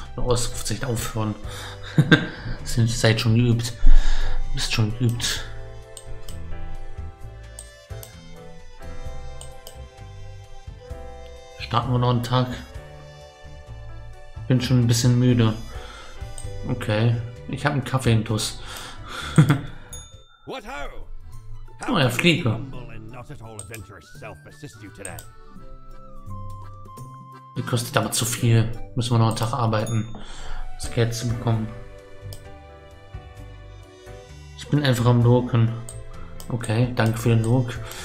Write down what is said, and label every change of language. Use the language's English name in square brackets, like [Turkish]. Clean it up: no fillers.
[German] Oder Ausrufezeichen aufhören. Seid schon geübt. Bist schon geübt. Starten wir noch einen Tag. Bin schon ein bisschen müde. Okay. Ich habe einen Kaffee im Tuss. [English] What ho! How oh, can you humble and not at all adventurous self assist you today? [German] Die kostet aber zu viel. Müssen wir noch einen Tag arbeiten, um das Geld zu bekommen. Ich bin einfach am Lurken. Okay, danke für den Lurk.